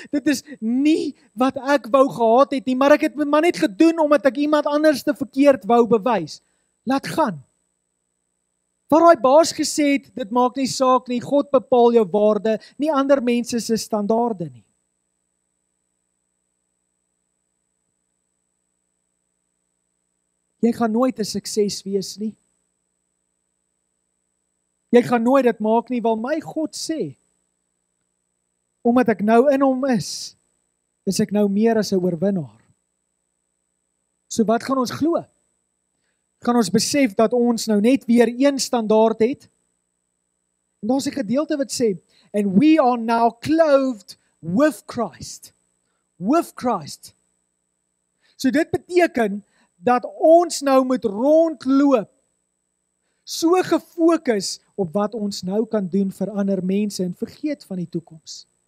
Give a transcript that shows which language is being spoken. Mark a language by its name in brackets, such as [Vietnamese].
[Afrikaans] Dit is nie wat ek wou gehad het nie, maar ek het dit maar net gedoen omdat ek iemand anders te verkeerd wou bewys. Laat gaan. Wat daai baas gesê het, dit maak nie saak nie, God bepaal jou waarde, nie ander mense se standaarde nie. Jy gaan nooit 'n sukses wees nie. Jy gaan nooit dit maak nie, want my God sê, omdat ek nou in hom is, is ek nou meer as 'n oorwinnaar. So wat gaan ons glo? Kan ons besef dat ons nou net weer een standaard het? En daar's 'n gedeelte wat sê, [English] and we are now clothed with Christ. With Christ. [Afrikaans] So dit beteken dat ons nou moet rondloop so gefokus op wat ons nou kan doen vir ander mense en vergeet van die toekoms.